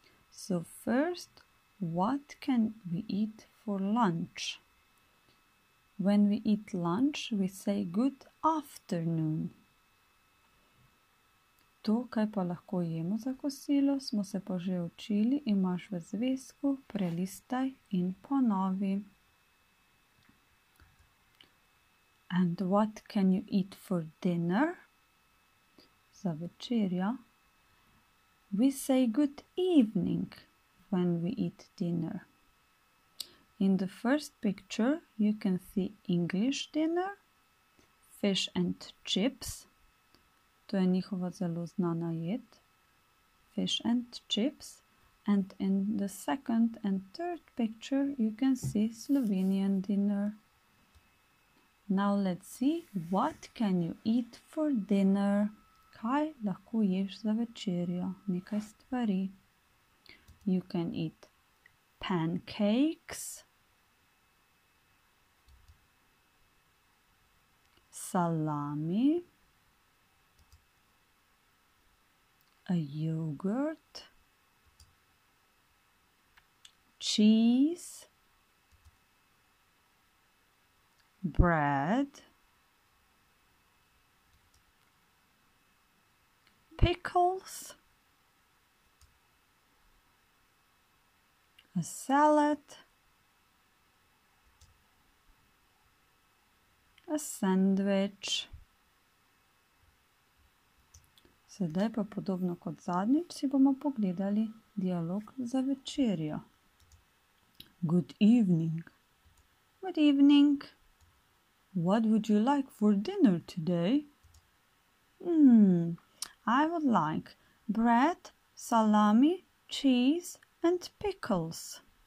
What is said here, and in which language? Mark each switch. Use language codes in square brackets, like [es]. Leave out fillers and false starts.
[en] So first, what can we eat for lunch? When we eat lunch, we say good afternoon. [sl] To, kaj pa lahko jemo za kosilo, smo se pa že učili, imaš v zvezku, prelistaj in ponovi. [en] And what can you eat for dinner? [sl] Za večerjo. [en] We say good evening when we eat dinner. In the first picture you can see English dinner, fish and chips. [sl] To je njihova zelo znana jed, fish and chips. [en] And in the second and third picture you can see Slovenian dinner. Now let's see, what can you eat for dinner? [sl] Kaj lahko ješ za večerjo? Nekaj stvari. [en] You can eat pancakes, salami, a yogurt, cheese, bread, pickles, a salad, a sandwich. [sl] Sedaj pa podobno kot zadnjič si bomo pogledali dialog za večerjo. [en] Good evening. Good evening. What would you like for dinner today? I would like bread, salami, cheese and pickles.